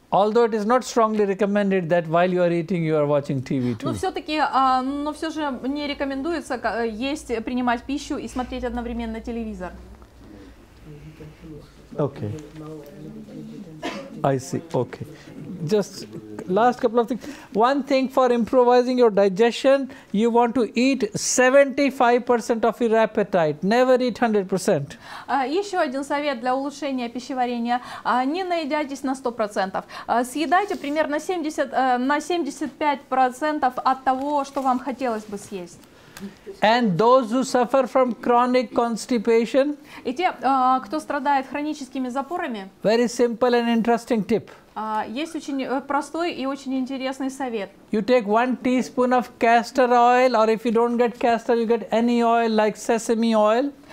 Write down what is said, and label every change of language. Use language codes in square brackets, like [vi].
[en] Although it is not strongly recommended that while you are eating you are watching TV too. [ru] Но все же не рекомендуется есть, принимать пищу и смотреть одновременно телевизор. [en] Okay. I see. Okay. Just last couple of things. One thing for improvising your digestion, you want to eat 75% of your appetite. Never eat 100%. [ru] Еще один совет для улучшения пищеварения. Не наедайтесь на 100%. Съедайте примерно 75% от того, что вам хотелось бы съесть. [en] And those who suffer from chronic constipation. [ru] И те, кто страдает хроническими запорами. [en] Very simple and interesting tip. [ru] Есть очень простой и очень интересный совет. [en] You take 1 teaspoon of castor oil, or if you don't get castor, you get any oil like sesame oil.